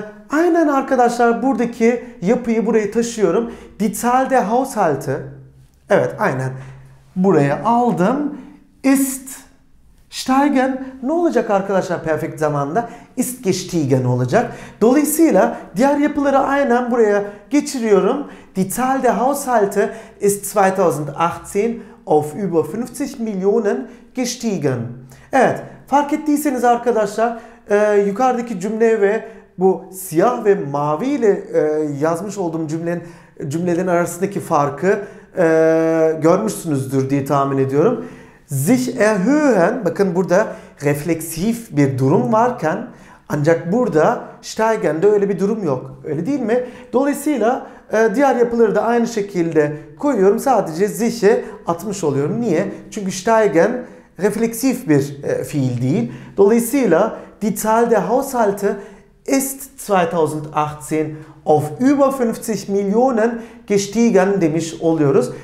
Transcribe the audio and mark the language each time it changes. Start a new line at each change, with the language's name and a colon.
Turkish: Aynen arkadaşlar, buradaki yapıyı buraya taşıyorum.
German: Die Zahl der Haushalte,
Turkish: evet aynen buraya aldım,
German: ist steigen
Turkish: ne olacak arkadaşlar perfect zamanda?
German: Ist gestiegen olacak.
Turkish: Dolayısıyla diğer yapıları aynen buraya geçiriyorum.
German: Die Zahl der Haushalte ist 2018 auf über 50 Millionen gestiegen.
Turkish: Evet, fark ettiyseniz arkadaşlar yukarıdaki cümle ve bu siyah ve mavi ile yazmış olduğum cümlelerin arasındaki farkı görmüşsünüzdür diye tahmin ediyorum. Sich erhöhen, bakın burada refleksif bir durum varken, ancak burada steigen'de öyle bir durum yok. Öyle değil mi? Dolayısıyla diğer yapıları da aynı şekilde koyuyorum. Sadece sich'i atmış oluyorum. Niye? Çünkü steigen refleksif bir fiil değil. Dolayısıyla
German: die Zahl der Haushalte ist 2018 auf über 50 Millionen gestiegen
Turkish: demiş oluyoruz.